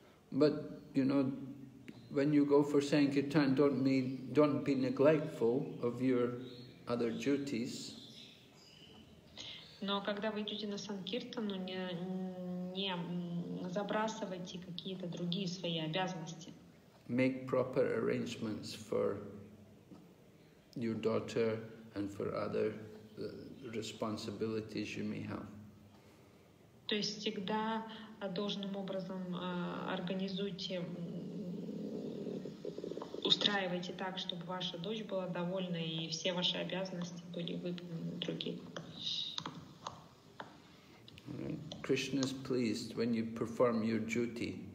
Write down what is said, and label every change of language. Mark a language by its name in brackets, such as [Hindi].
[English] But, you know, when you go for Sankirtan, don't be neglectful of your other duties. [Russian] Но когда вы идете на Санкиртану, не забрасывайте какие-то другие свои обязанности. [English] Make proper arrangements for your daughter and for other responsibilities you may have. [Russian] То есть всегда должным образом организуйте, устраивайте так, чтобы ваша дочь была довольна и все ваши обязанности были выполнены другие. [English] Krishna is pleased when you perform your duty.